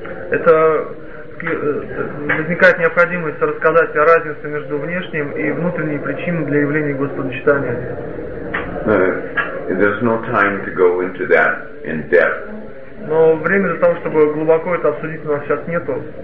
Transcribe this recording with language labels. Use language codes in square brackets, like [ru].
[ru] Это возникает необходимость рассказать о разнице между внешним и внутренней причиной для явления Господа Чайтанья. [en] There's no time to go into that in depth. [ru] Но времени для того, чтобы глубоко это обсудить, у нас сейчас нету.